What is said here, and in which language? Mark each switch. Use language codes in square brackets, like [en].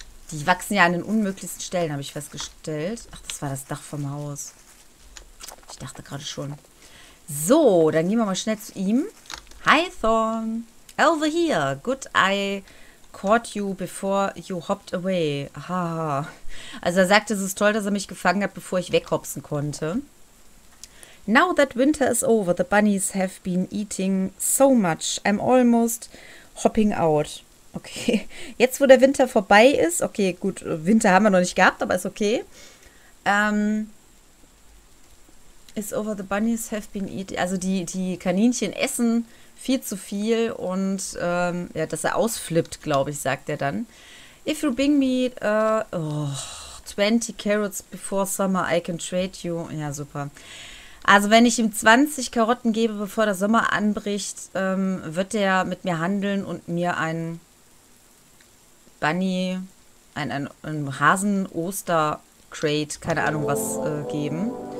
[de] Die wachsen ja an den unmöglichsten Stellen, habe ich festgestellt. Ach, das war das Dach vom Haus. Ich dachte gerade schon. So, dann gehen wir mal schnell zu ihm. [en] Hi, Thorn. Over here. Good eye. Caught you before you hopped away. Haha. [de] Also er sagte, es ist toll, dass er mich gefangen hat, bevor ich weghopsen konnte. [en] Now that winter is over, the bunnies have been eating so much. I'm almost hopping out. Okay. [de] Jetzt, wo der Winter vorbei ist. Okay, gut. Winter haben wir noch nicht gehabt, aber ist okay. [en] It's over, the bunnies have been eating. [de] Also die Kaninchen essen viel zu viel und ja, dass er ausflippt, glaube ich, sagt er dann. [en] If you bring me 20 carrots before summer, I can trade you. [de] Ja, super. Also wenn ich ihm 20 Karotten gebe, bevor der Sommer anbricht, wird er mit mir handeln und mir ein Bunny, ein Hasen-Oster-Crate, keine Ahnung was, geben.